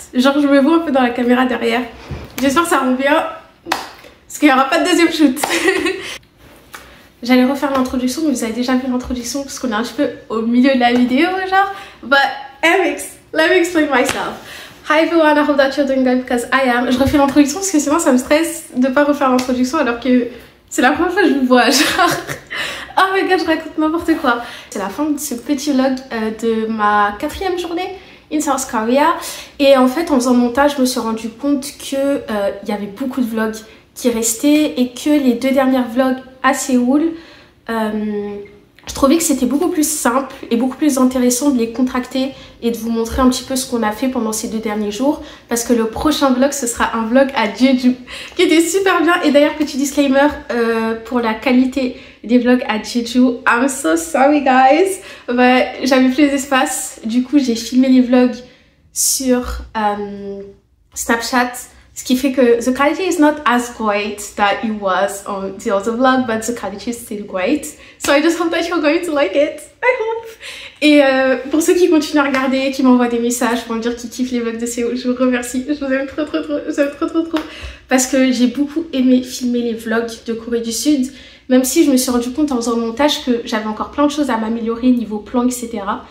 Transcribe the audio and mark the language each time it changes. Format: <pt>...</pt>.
<fr>Genre, je me vois un peu dans la caméra derrière. J'espère que ça revient. Parce qu'il n'y aura pas de deuxième shoot. J'allais refaire l'introduction, mais vous avez déjà vu l'introduction parce qu'on est un peu au milieu de la vidéo, genre.</fr> <en>But, let me explain myself. Hi everyone, I hope that you're doing good because I am.</en> <fr>Je refais l'introduction parce que sinon ça me stresse de ne pas refaire l'introduction alors que c'est la première fois que je vous vois, genre.</fr> <en>Oh my god,</en> <fr>je raconte n'importe quoi. C'est la fin de ce petit vlog de ma quatrième journée</fr> <en>in South Korea.</en> <fr>Et en fait, en faisant le montage, je me suis rendu compte qu'il y avait beaucoup de vlogs qui restaient et que les deux dernières vlogs à Séoul, je trouvais que c'était beaucoup plus simple et beaucoup plus intéressant de les contracter et de vous montrer un petit peu ce qu'on a fait pendant ces deux derniers jours. Parce que le prochain vlog, ce sera un vlog à Jeju, qui était super bien. Et d'ailleurs, petit disclaimer pour la qualité des vlogs à Jeju.</fr> <en>I'm so sorry guys,</en> <fr>mais j'avais plus d'espace. Du coup, j'ai filmé les vlogs sur Snapchat. Ce qui fait que</fr> <en>the quality is not as great that it was on the other vlog, but the quality is still great. So I just hope that you're going to like it. I hope.</en> <fr>Et pour ceux qui continuent à regarder, qui m'envoient des messages pour me dire qu'ils kiffent les vlogs de Séoul, je vous remercie. Je vous aime trop, trop, trop. Je vous aime trop, trop, trop. Parce que j'ai beaucoup aimé filmer les vlogs de Corée du Sud. Même si je me suis rendu compte en faisant le montage que j'avais encore plein de choses à m'améliorer niveau plan, etc.</fr>